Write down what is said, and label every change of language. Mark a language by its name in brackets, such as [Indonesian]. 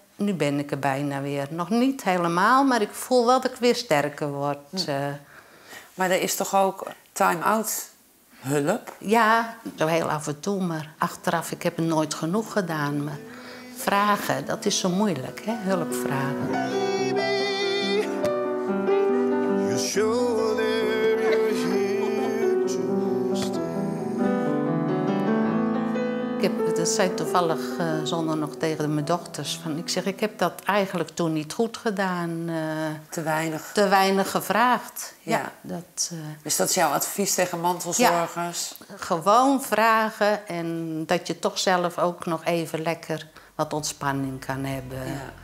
[Dutch] Nu ben ik er bijna weer. Nog niet helemaal, maar ik voel wel dat ik weer sterker word. Ja. Maar er is toch ook time-out hulp? Ja, zo heel af en toe. Maar achteraf, ik heb het nooit genoeg gedaan. Maar vragen, dat is zo moeilijk, hè? Hulp vragen. [English] Baby, you show them you're here to stay. [Dutch] Dat zei toevallig zondag nog tegen mijn dochters. Ik heb dat eigenlijk toen niet goed gedaan. Te weinig gevraagd. Ja. Dus dat is jouw advies tegen mantelzorgers? Ja, gewoon vragen en dat je toch zelf ook nog even lekker wat ontspanning kan hebben.